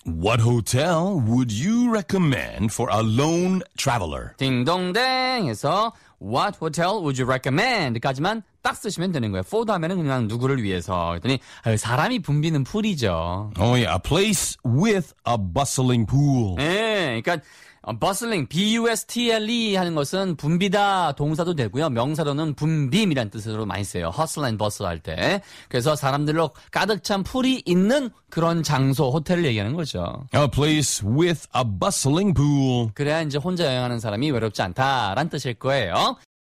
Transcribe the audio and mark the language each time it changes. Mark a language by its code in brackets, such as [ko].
[en] What hotel would you recommend for a lone traveler? [ko] 딩동댕 해서 [en] What hotel would you recommend? [ko] 까지만 딱 쓰시면 되는 거예요. For 하면 그냥 누구를 위해서. 그랬더니 사람이 붐비는 풀이죠. [en] Oh yeah, a place with a bustling pool. [ko] 네, 그러니까 bustling, B-U-S-T-L-E 하는 것은 붐비다 동사도 되고요. 명사로는 붐빔이라는 뜻으로 많이 써요. [en] hustle and bustle 할 때. [ko] 그래서 사람들로 가득 찬 풀이 있는 그런 장소, 호텔을 얘기하는 거죠. [en] A place with a bustling pool. [ko] 그래야 이제 혼자 여행하는 사람이 외롭지 않다라는 뜻일 거예요.